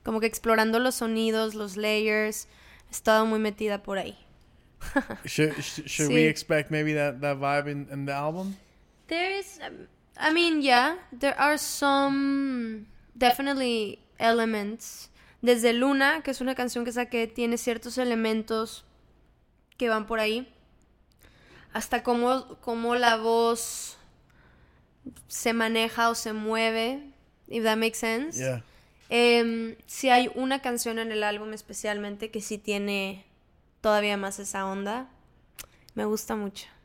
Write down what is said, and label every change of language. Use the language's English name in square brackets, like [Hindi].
[Spanish] Como que explorando los sonidos, los layers. He estado muy metida por ahí. [English] Should we expect maybe that vibe in the album? There is, I mean, yeah. There are some definitely elements. [Spanish] Desde Luna, que es una canción que saqué, tiene ciertos elementos que van por ahí. Hasta como la voz se maneja o se mueve, [English] if that makes sense. Yeah. [Spanish] Si hay una canción en el álbum especialmente que sí tiene todavía más esa onda, me gusta mucho.